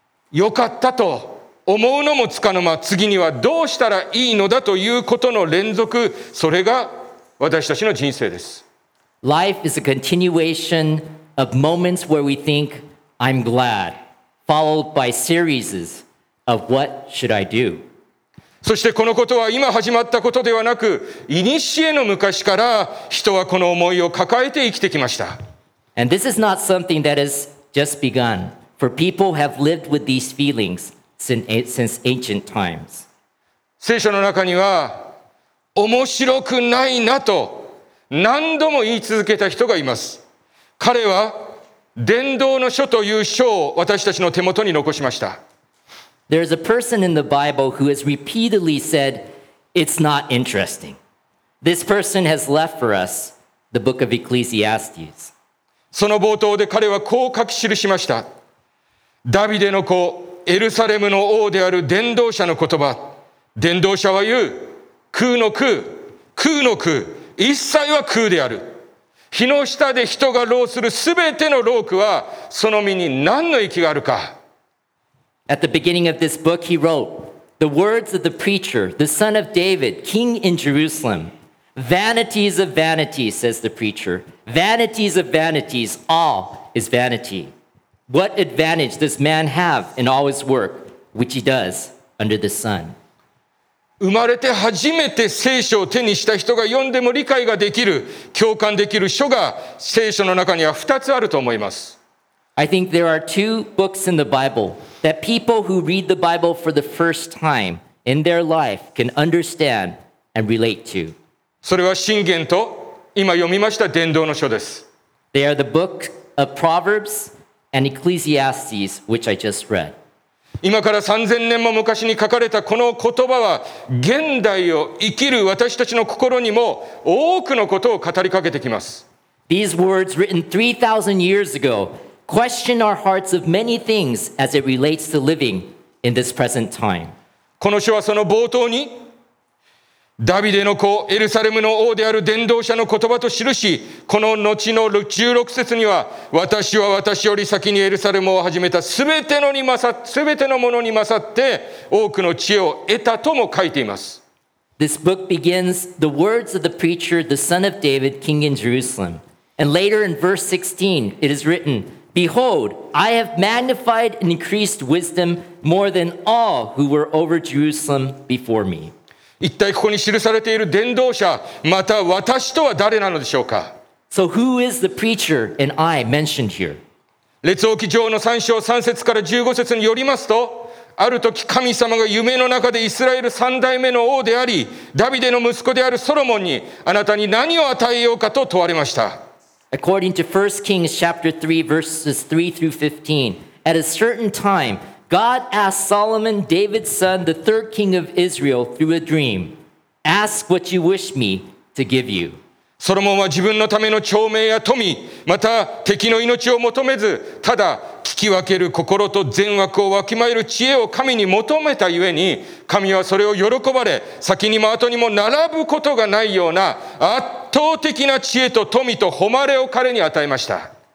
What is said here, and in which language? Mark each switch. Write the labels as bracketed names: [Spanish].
[Japanese] よかったと思うのもつかの間、次にはどうしたらいいのだということの連続、それが私たちの人生です。 [English] Life is a continuation of moments where we think, I'm glad, followed by series of what should I do. [Japanese] そしてこのことは今始まったことではなく、いにしえの昔から人はこの思いを抱えて生きてきました。 [English] And this is not something that has just begun, for people have lived with these feelings. Since ancient times. [Japanese] 聖書の中には面白くないなと何度も言い続けた人がいます。彼は伝道の書という書を私たちの手元に残しました。 [English] There is a person in the Bible who has repeatedly said it's not interesting. This person has left for us the book of Ecclesiastes. [Japanese] その冒頭で彼はこう書き記しました。ダビデの子エルサレムの王である伝道者の言葉、伝道者は言う、空の空、空の空、一切は空である。日の下で人が労するすべての労苦はその身に何の益があるか。 [English] At the beginning of this book he wrote, The words of the preacher, the son of David, king in Jerusalem, Vanities of vanities, says the preacher, Vanities of vanities, all is vanity. What advantage does man have in all his work, which he does under the sun? [Japanese] 生まれて初めて聖書を手にした人が読んでも理解ができる、共感できる書が聖書の中には2つあると思います。 [English] I think there are two books in the Bible that people who read the Bible for the first time in their life can understand and relate to. [Japanese] それは箴言と今読みました伝道の書です。 [English] They are the book of Proverbs and Ecclesiastes, which I just read. [Japanese] 今から3000年も昔に書かれたこの言葉は現代を生きる私たちの心にも多くのことを語りかけてきます。 [English] These words written 3,000 years ago question our hearts of many things as it relates to living in this present time. [Japanese] この書はその冒頭にダビデの子エルサレムの王である伝道者の言葉と記し、この後の16節には私は私より先にエルサレムを始めたすべてのに勝、すべてのものに勝って多くの知恵を得たとも書いています。 [English] This book begins the words of the preacher, the son of David, king in Jerusalem. And later in verse 16, it is written, Behold, I have magnified and increased wisdom more than all who were over Jerusalem before me. [Japanese] 一体ここに記されている伝道者、また私とは誰なのでしょうか? [English] So who is the preacher and I mentioned here? [Japanese] 列王記上の3章3節から15節によりますと、ある時神様が夢の中でイスラエル3代目の王であり、ダビデの息子であるソロモンに、あなたに何を与えようかと問われました。 [English] According to 1 Kings chapter 3 verses 3 through 15, at a certain time, God asked Solomon, David's son, the third king of Israel, through a dream, Ask what you wish me to give you. [Japanese] ソロモンは自分のための長命や富、また敵の命を求めず、ただ聞き分ける心と善悪をわきまえる知恵を神に求めたゆえに、神はそれを喜ばれ、先にも後にも並ぶことがないような圧倒的な知恵と富と誉れを彼に与えました。